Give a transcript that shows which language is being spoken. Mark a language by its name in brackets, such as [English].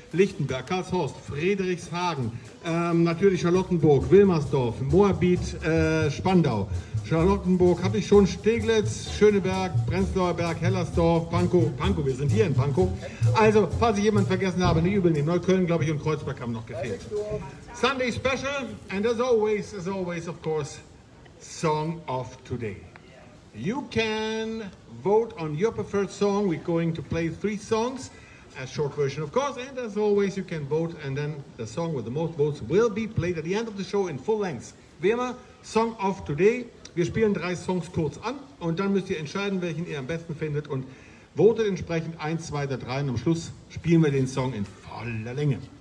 [German] Lichtenberg, Karlshorst, Friedrichshagen, natürlich Charlottenburg, Wilmersdorf, Moabit, Spandau. Charlottenburg habe ich schon, Steglitz, Schöneberg, Prenzlauer Berg, Hellersdorf, Pankow, wir sind hier in Pankow. Also, falls ich jemanden vergessen habe, nicht übel nehmen. Neukölln, glaube ich, und Kreuzberg haben noch gefehlt. [English] Sunday Special, and as always, of course, Song of Today. You can vote on your preferred song. We're going to play three songs, a short version, of course. And as always, you can vote, and then the song with the most votes will be played at the end of the show in full length. [German] Wie immer, Song of Today. Wir spielen drei Songs kurz an, und dann müsst ihr entscheiden, welchen ihr am besten findet, und votet entsprechend 1, 2 oder 3, und am Schluss spielen wir den Song in voller Länge.